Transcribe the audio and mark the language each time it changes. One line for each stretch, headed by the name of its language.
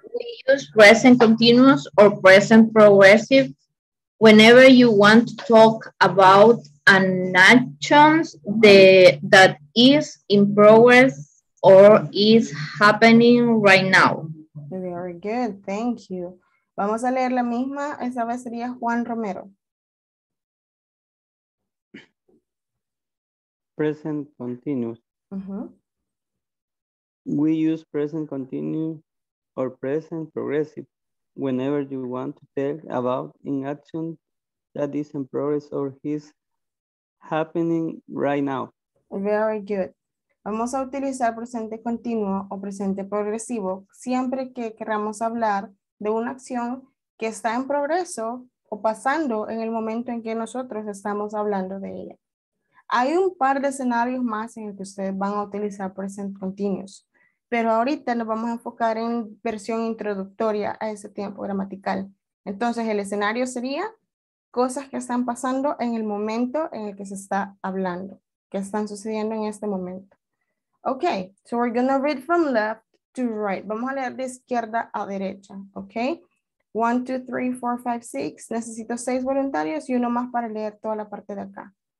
English: We use present continuous or present progressive whenever you want to talk about an action that is in progress or is happening right now. Very good, thank you.
Spanish: Vamos a leer la misma, esa vez sería Juan Romero.
English: Present continuous. Uh-huh. We use present continuous or present progressive whenever you want to tell about an action that is in progress or is happening right now. Very good.
Spanish: Vamos a utilizar presente continuo o presente progresivo siempre que queramos hablar de una acción que está en progreso o pasando en el momento en que nosotros estamos hablando de ella. Hay un par de escenarios más en el que ustedes van a utilizar present continuous, pero ahorita nos vamos a enfocar en versión introductoria a ese tiempo gramatical. Entonces, el escenario sería cosas que están pasando en el momento en el que se está hablando, que están sucediendo en este momento.
English: Ok, so we're going to read from left to right.
Spanish: Vamos a leer de izquierda a derecha, ok. 1, 2, 3, 4, 5, 6. Necesito 6 voluntarios y uno más para leer toda la parte de acá.